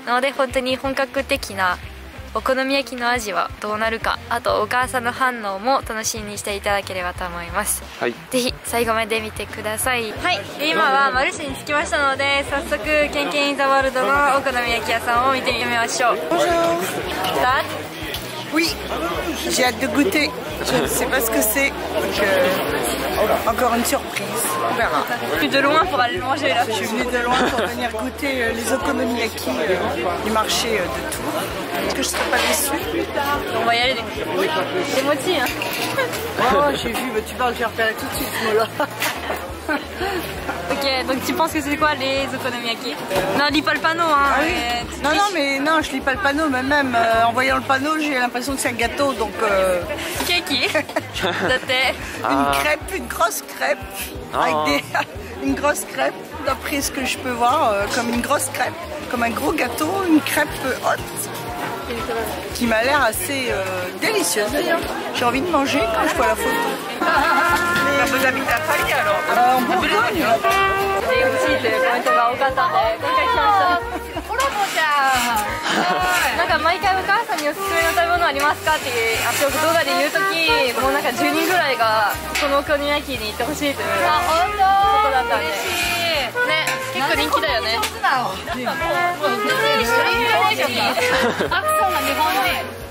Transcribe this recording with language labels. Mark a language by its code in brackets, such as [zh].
[ja] なので本当に本格的なお好み焼きの味はどうなるか、あとお母さんの反応も楽しみにしていただければと思います、はい、ぜひ最後まで見てください。はい、今はマルシェに着きましたので早速ケンケンイザワールドのお好み焼き屋さんを見てみましょう。こんにちは。さあ、 [fr] はい、j'ai hâte de goûter. Je ne sais pas ce que c'est. Donc, encore une surprise. On verra. Je suis venue de loin pour aller manger là. Je suis venue de loin pour venir goûter les okonomiyaki du marché de Tours. Est-ce que je serai pas déçue? On va y aller. Oui. C'est moitié, hein. Oh, j'ai vu. Bah, tu parles, j'ai repéré tout de suite ce mot-là. Ok, donc tu penses que c'est quoi les okonomiyaki? Non, lis pas le panneau, hein. Ah oui. Non, non, mais non, je lis pas le panneau, mais même en voyant le panneau, j'ai l'impression que c'est un gâteau, donc. Keki. C'était une crêpe, une grosse crêpe. Oh. Avec des... une grosse crêpe, d'après ce que je peux voir, comme une grosse crêpe, comme un gros gâteau, une crêpe haute. Qui m'a l'air assez délicieuse. J'ai envie de manger quand je vois la photo. Vous habitez à Paris alors ? En Bourgogne. C'est aussi le point de vue de la famille. [ja] なんか毎回お母さんにおすすめの食べ物ありますかって食動画で言うとき、もうなんか10人ぐらいがこのお好み焼きに行ってほしいというとこだったんで、嬉しいね、結構人気だよね。なんでこんなに上手なの？もう普通に日本人じゃない？アクセントが日本人。